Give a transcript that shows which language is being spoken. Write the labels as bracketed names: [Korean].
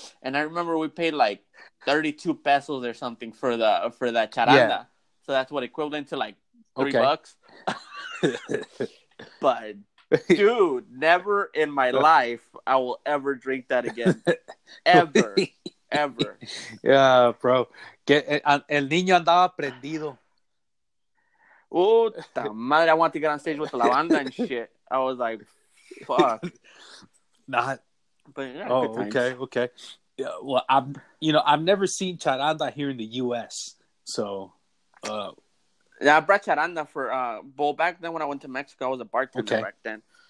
[English] And I remember we paid like 32 pesos or something for the for that charanga. Yeah. So that's what equivalent to like three bucks. But, dude, never in my life I will ever drink that again. Ever. Yeah, bro. [Spanish] Que, el niño andaba prendido. Puta madre, [English] I want to get on stage with La Banda and shit. I was like, fuck. Not. But yeah, oh, good times. Okay. Yeah, well, I've never seen charanda here in the U.S., so. Yeah, I brought charanda for, well, back then when I went to Mexico, I was a bartender back then.